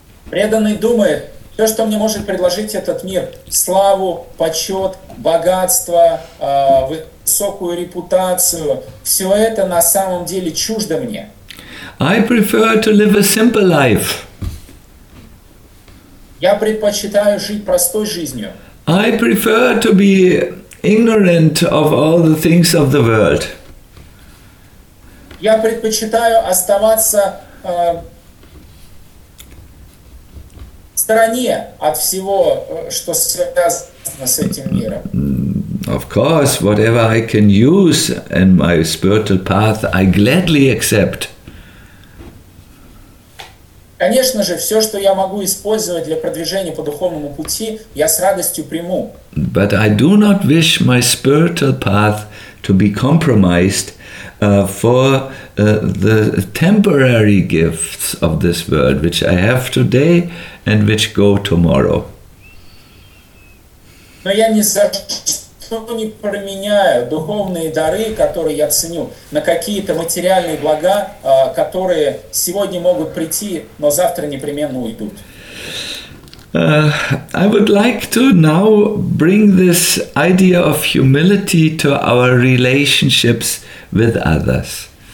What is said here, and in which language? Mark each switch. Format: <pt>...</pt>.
<ru>Преданный думает, все, что мне может предложить этот мир, славу, почет, богатство, высокую репутацию, все это на самом деле чуждо мне.</ru> <en>I prefer to live a simple life.</en> <ru>Я предпочитаю жить простой жизнью.</ru> <en>I prefer to be ignorant of all the things of the world.</en> <ru>Я предпочитаю оставаться в стороне от всего, что связано с этим миром.</ru> <en>Of course, whatever I can use in my spiritual path, I gladly accept.</en> <ru>Конечно же, все, что я могу использовать для продвижения по духовному пути, я с радостью приму.</ru> <en>But I do not wish my spiritual path to be compromised for the temporary gifts of this world, which I have today and which go tomorrow.</en> <ru>Но я не за что не променяю духовные дары, которые я ценю, на какие-то материальные блага, которые сегодня могут прийти, но завтра непременно уйдут.</ru> <en>I would like to now bring this idea of humility to our relationships with others.</en>